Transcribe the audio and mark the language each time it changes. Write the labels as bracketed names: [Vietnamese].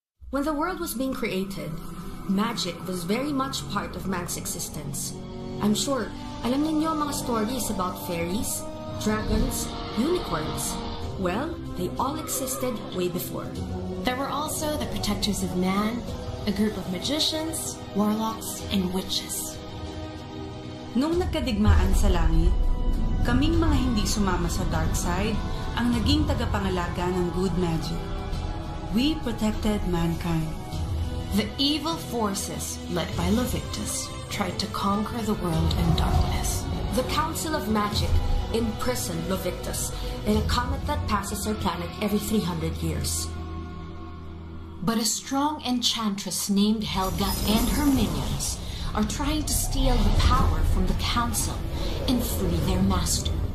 [English] When the world was being created, magic was very much part of man's existence. I'm sure, [Filipino] alam ninyo ang mga [English] stories about fairies, dragons, unicorns. Well, they all existed way before. There were also the protectors of man, a group of magicians, warlocks, and witches. [Filipino] Nung nagkadigmaan sa langit, kaming mga hindi sumama sa [English] dark side [Filipino] ang naging tagapangalaga ng [English] good magic. We protected mankind. The evil forces led by Levictus tried to conquer the world in darkness. The Council of Magic imprisoned Levictus in a comet that passes our planet every 300 years. But a strong enchantress named Helga and her minions are trying to steal the power from the council and free their master.